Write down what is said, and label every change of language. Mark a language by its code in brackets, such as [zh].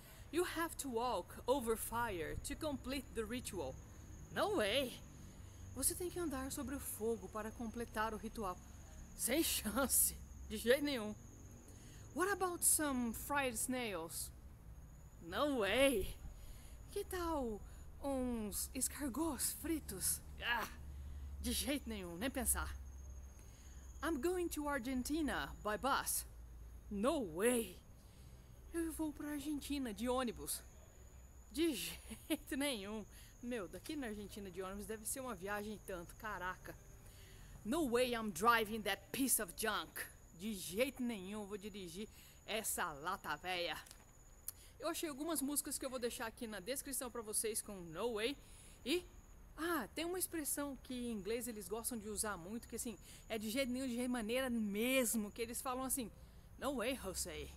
[en] You have to walk over fire to complete the ritual. No way! [pt] Você tem que andar sobre o fogo para completar o ritual. Sem chance, de jeito nenhum. [en] What about some fried snails? No way! [pt] Que tal uns escargots fritos? Ah, de jeito nenhum, nem pensar. [en] I'm going to Argentina by bus. No way! [pt] Eu vou para Argentina de ônibus. De jeito nenhum. Meu, daqui na Argentina de ônibus deve ser uma viagem tanto, caraca. [en] No way I'm driving that piece of junk. [pt] De jeito nenhum vou dirigir essa lata véia. Eu achei algumas músicas que eu vou deixar aqui na descrição para vocês com No Way. E, tem uma expressão que em inglês eles gostam de usar muito, que assim, é de jeito nenhum, de maneira mesmo, que eles falam assim, [en] No Way, Jose.